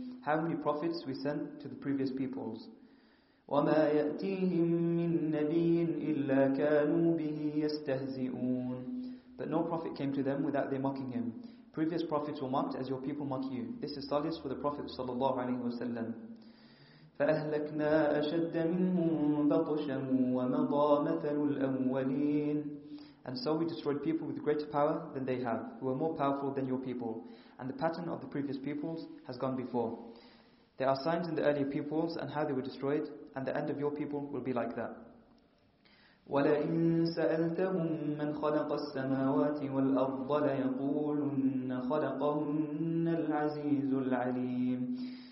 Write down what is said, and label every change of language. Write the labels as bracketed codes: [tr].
[en] How many prophets we sent to the previous peoples? [ar] وَمَا يَأْتِيهِمْ مِن نَبِيٍّ إِلَّا كَانُوا بِهِ يَسْتَهْزِئُونَ. [en] But no prophet came to them without their mocking him. Previous prophets were mocked as your people mock you. This is solace for the Prophet ﷺ. [ar] فأهلكنا أشد منهم بطشا ومضى مثل الأولين. [en] And so we destroyed people with greater power than they have, who are more powerful than your people. And the pattern of the previous peoples has gone before. There are signs in the earlier peoples and how they were destroyed, and the end of your people will be like that. [ar] وَلَئِن سَأَلْتَهُمْ مَنْ خَلَقَ السَّمَاوَاتِ وَالْأَرْضَ لَيَقُولُنَّ خَلَقَهُنَّ الْعَزِيزُ الْعَلِيمُ.